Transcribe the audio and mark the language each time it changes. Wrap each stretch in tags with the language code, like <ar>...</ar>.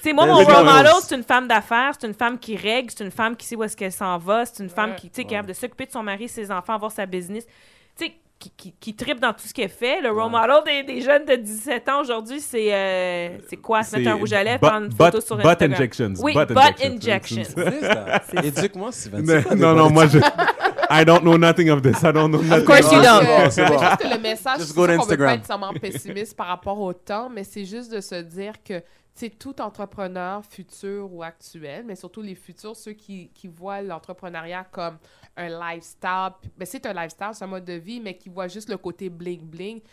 <fr>T'sais, moi, mon role model, c'est une femme d'affaires, c'est une femme qui règle, c'est une femme qui sait où est-ce qu'elle s'en va, c'est une femme qui, t'sais, qui a de s'occuper de son mari, ses enfants, avoir sa business. Qui trippe dans tout ce qu'elle fait. Le role model des jeunes de 17 ans aujourd'hui, c'est quoi? Se mettre un rouge à lèvres, prendre une photo sur Instagram.</fr> <en>Butt injections. Oui, butt injections.</en> <fr>C'est ça. Éduque-moi, Sylvain. Non, moi,</fr> <en>I don't know nothing of this. I don't know nothing. Of course you don't.</en> <fr>C'est juste que le message, c'est qu'on ne peut pas être seulement pessimiste par rapport au temps, mais c'est juste de se dire que c'est tout entrepreneur futur ou actuel, mais surtout les futurs, ceux qui voient l'entrepreneuriat comme un lifestyle. Mais c'est un lifestyle, c'est un mode de vie, mais qui voient juste le côté bling-bling. Mm-hmm.</fr>